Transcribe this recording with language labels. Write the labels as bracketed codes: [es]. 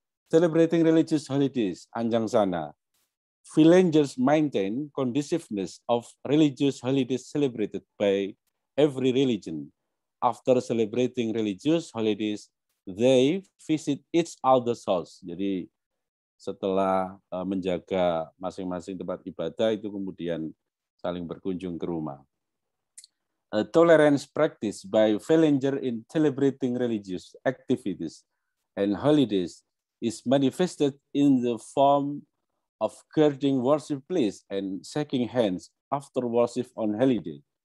[en] Celebrating religious holidays, Anjang Sana. Villagers maintain conduciveness of religious holidays celebrated by every religion. After celebrating religious holidays, they visit each other's house. [id] Jadi setelah menjaga masing-masing tempat ibadah itu kemudian saling berkunjung ke rumah. [en] A tolerance practice by villager in celebrating religious activities and holidays is manifested in the form of guarding worship place and shaking hands after worship on holiday.